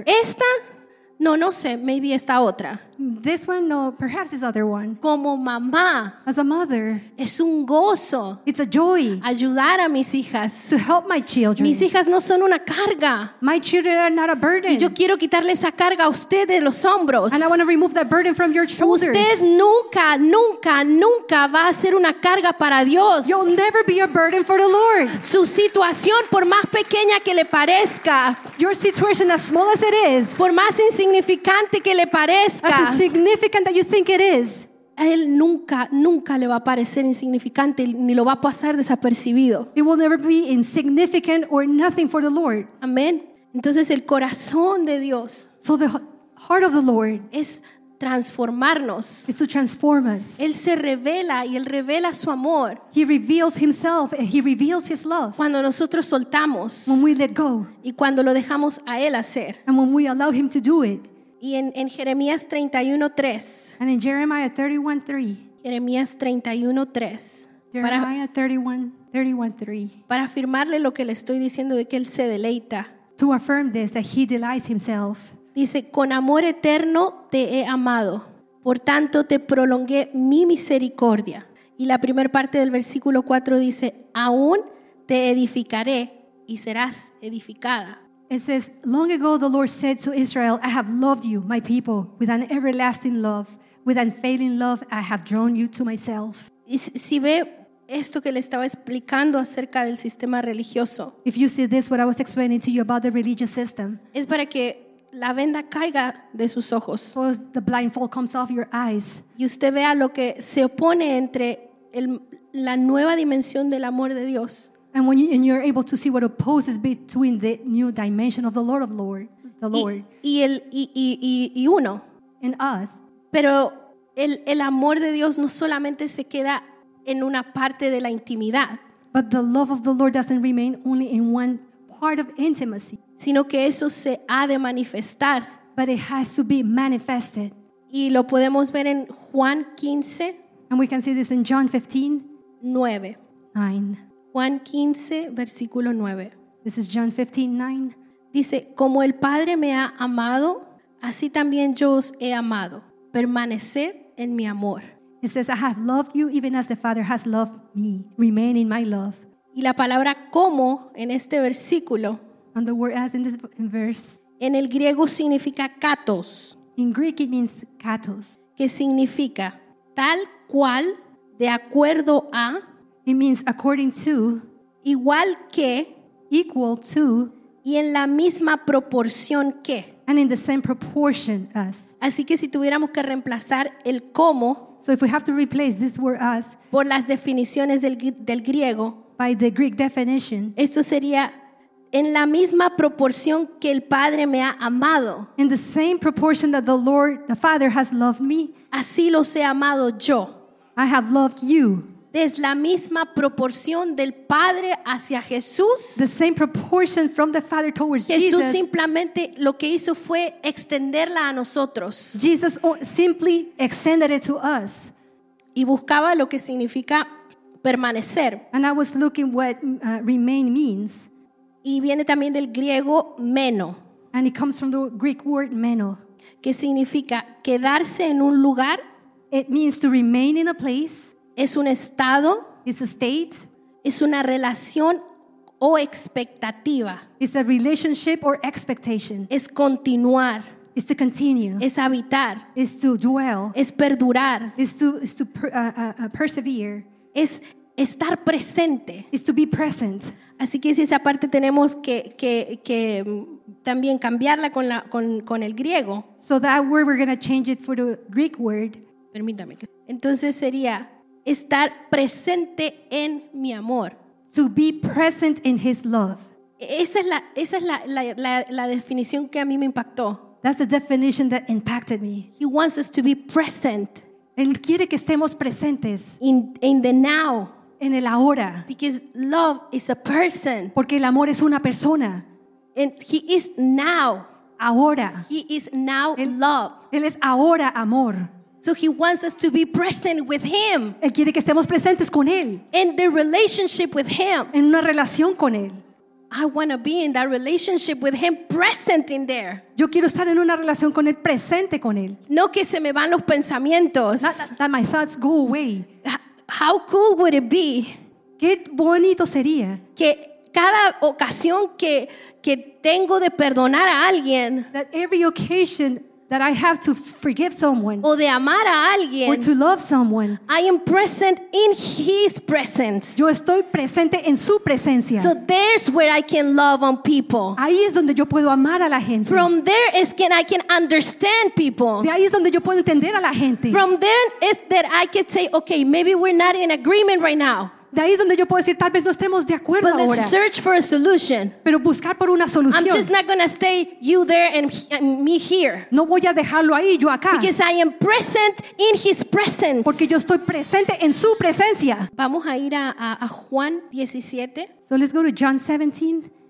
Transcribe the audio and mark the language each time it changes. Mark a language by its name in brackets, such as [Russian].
[Spanish] Esta. No, no sé, [English] maybe [Spanish] esta otra. [English] This one, no, perhaps this other one. [Spanish] Como mamá. [English] As a mother. [Spanish] Es un gozo. [English] It's a joy. [Spanish] Ayudar a mis hijas. [English] To help my children. [Spanish] Mis hijas no son una carga. [English] My children are not a burden. [Spanish] Y yo quiero quitarle esa carga a usted de los hombros. [English] And I want to remove that burden from your shoulders. [Spanish] Usted nunca, nunca, nunca va a ser una carga para Dios. [English] You'll never be a burden for the Lord. [Spanish] Su situación, por más pequeña que le parezca. [English] Your situation, as small as it is. [Spanish] Por más insignificante que le parezca. [English] Significant that you think it is. [Spanish] Él nunca, nunca le va a parecer insignificante ni lo va a pasar desapercibido. [English] It will never be insignificant or nothing for the Lord. [Spanish] Amén. Entonces el corazón de Dios. [English] So the heart of the Lord [Spanish] es transformarnos. [English] Is to transform us. [Spanish] Él se revela y él revela su amor. [English] He reveals himself and he reveals his love. [Spanish] Cuando nosotros soltamos. [English] When we let go. [Spanish] Y cuando lo dejamos a él hacer. [English] And when we allow him to do it. [Spanish] Y en Jeremías 31:3. [English] And in Jeremiah 31:3. [Spanish] Jeremías 31:3. [English] Jeremiah 31:3. [Spanish] Para afirmarle lo que le estoy diciendo de que él se deleita. [English] To affirm this, that he delights himself. [Spanish] Dice, con amor eterno te he amado. Por tanto te prolongué mi misericordia. Y la primera parte del versículo 4 dice, aún te edificaré y serás edificada. [English] It says, long ago the Lord said to Israel, I have loved you, my people, with an everlasting love. With unfailing love, I have drawn you to myself. [Spanish] Si ve esto que le estaba explicando acerca del sistema religioso. [English] If you see this, what I was explaining to you about the religious system. [Spanish] Es para que la venda caiga de sus ojos. [English] So the blindfold comes off your eyes. [Spanish] Y usted vea lo que se opone entre la nueva dimensión del amor de Dios. [English] And when you're able to see what opposes between the new dimension of the Lord, [Spanish] y uno, [English] and us, [Spanish] pero el amor de Dios no solamente se queda en una parte de la intimidad, [English] but the love of the Lord doesn't remain only in one part of intimacy, [Spanish] sino que eso se ha de manifestar, [English] but it has to be manifested, [Spanish] y lo podemos ver en Juan 15, [English] and we can see this in John 15, [Spanish] 9. Juan 15, versículo 9. [English] This is John 15:9. [Spanish] Dice, como el Padre me ha amado, así también yo os he amado. Permaneced en mi amor. [English] It says, I have loved you even as the Father has loved me. Remain in my love. [Spanish] Y la palabra como en este versículo. [English] And the word as in this verse. [Spanish] En el griego significa katos. [English] In Greek it means katos. [Spanish] Que significa tal cual, de acuerdo a. [English] It means according to, [Spanish] igual que, [English] equal to, [Spanish] y en la misma proporción que, [English] and in the same proportion as. [Spanish] Así que si tuviéramos que reemplazar el como, [English] so if we have to replace this word as, [Spanish] por las definiciones del griego, [English] by the Greek definition, [Spanish] esto sería en la misma proporción que el Padre me ha amado. [English] In the same proportion that the Lord, the Father has loved me, [Spanish] así los he amado yo. [English] I have loved you. [Spanish] Es la misma proporción del Padre hacia Jesús. [English] The same proportion from the Father towards Jesús. [Spanish] Jesús simplemente lo que hizo fue extenderla a nosotros. [English] Jesus simply extended it to us. [Spanish] Y buscaba lo que significa permanecer. [English] And I was looking what remain means. [Spanish] Y viene también del griego meno. [English] And it comes from the Greek word meno. [Spanish] Que significa quedarse en un lugar. [English] It means to remain in a place. [Spanish] Es un estado, [English] it's a state, [Spanish] es una relación o expectativa. [English] It's a relationship or expectation. [Spanish] Es continuar. [English] Is to continue. [Spanish] Es habitar. [English] Is to dwell. [Spanish] Es perdurar. [English] Is to persevere. [Spanish] Es estar presente. [English] Is to be present. [Spanish] Así que si esa parte tenemos que también cambiarla con el griego. [English] So that word we're going to change it for the Greek word. [Spanish] Permítame. Entonces sería estar presente en mi amor. [English] To be present in his love. [Spanish] Esa es la definición que a mí me impactó. [English] That's the definition that impacted me. He wants us to be present. [Spanish] Él quiere que estemos presentes. [English] In the now. [Spanish] En el ahora. [English] Because love is a person. [Spanish] Porque el amor es una persona. [English] And he is now. [Spanish] Ahora. [English] He is now love. [Spanish] Él es ahora amor. [English] So he wants us to be present with him. [Spanish] Él quiere que estemos presentes con él. [English] In the relationship with him. [Spanish] En una relación con él. [English] I want to be in that relationship with him, present in there. [Spanish] Yo quiero estar en una relación con él, presente con él. No que se me van los pensamientos. [English] That my thoughts go away. How cool would it be? [Spanish] Qué bonito sería. Que cada ocasión que tengo de perdonar a alguien. [English] That every occasion that I have to forgive someone. [Spanish] O de amar a alguien. [English] Or to love someone. I am present in his presence. [Spanish] Yo estoy presente en su presencia. [English] So there's where I can love on people. [Spanish] Ahí es donde yo puedo amar a la gente. [English] From there is when I can understand people. [Spanish] De ahí es donde yo puedo entender a la gente. [English] From there is that I can say, okay, maybe we're not in agreement right now. [Spanish] De ahí es donde yo puedo decir, tal vez no estemos de acuerdo ahora. [English] But let's search for a solution. [Spanish] Pero buscar por una solución. [English] I'm just not gonna stay you there and me here. [Spanish] No voy a dejarlo ahí, yo acá. [English] Because I am present in his presence. [Spanish] Porque yo estoy presente en su presencia. Vamos a ir a Juan 17. [English] So let's go to John 17.